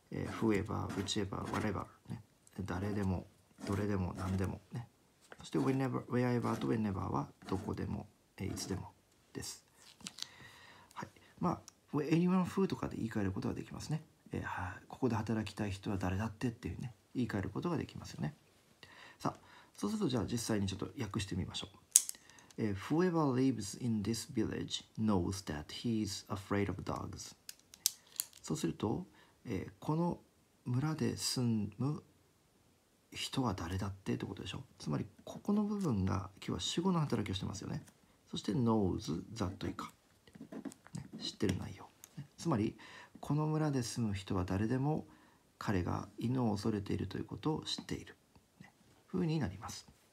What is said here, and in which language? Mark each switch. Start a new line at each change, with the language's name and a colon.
Japanese: フエバー、ウチエバー、ワレバー、ね、誰でも、どれでも、何でも、ね、そしてウェアエバーとウェネバーはどこでも、いつでもです。はい、
English: anyone who
Japanese: とかで言い換えることができますね。ここで働きたい人は誰だってっていうね、言い換えることができますよね。さあ、そうするとじゃあ実際にちょっと訳してみましょう。
English: Whoever lives in this village knows that he is afraid of dogs.
Japanese: そうすると、この村で住む人は誰だってってことでしょ。つまりここの部分が今日は主語の働きをしてますよね。そして
English: knows that
Japanese: 以下、ね、知ってる内容、ね、つまりこの村で住む人は誰でも彼が犬を恐れているということを知っている、ね、風になります。